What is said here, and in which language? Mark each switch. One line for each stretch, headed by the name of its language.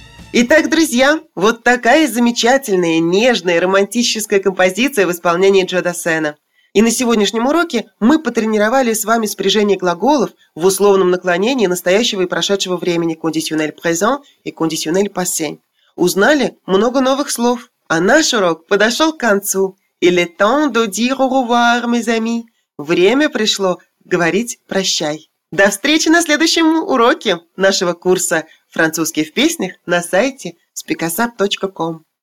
Russian: Итак, друзья, вот такая замечательная, нежная, романтическая композиция в исполнении Джо Дассена. И на сегодняшнем уроке мы потренировали с вами спряжение глаголов в условном наклонении настоящего и прошедшего времени
French: «conditionnel présent»
Russian: и
French: «conditionnel passé».
Russian: Узнали много новых слов. А наш урок подошел к концу.
French: Il est temps de dire au revoir, mes amis.
Russian: Время пришло говорить прощай. До встречи на следующем уроке нашего курса «Французский в песнях» на сайте spicasap.com.